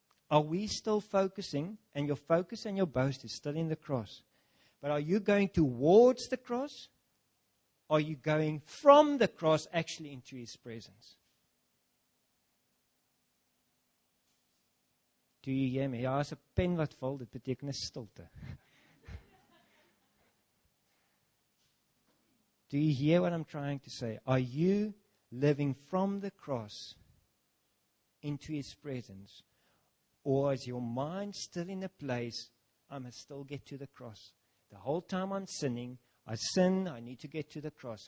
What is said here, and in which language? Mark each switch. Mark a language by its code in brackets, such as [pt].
[en] Are we still focusing, and your focus and your boast is still in the cross? But are you going towards the cross? Are you going from the cross actually into his presence? Do you hear me? [af] Ja, as 'n pen wat val, dit beteken 'n stilte. [en] Do you hear what I'm trying to say? Are you living from the cross into his presence? Or is your mind still in a place, I must still get to the cross? The whole time I'm sinning, I sin, I need to get to the cross.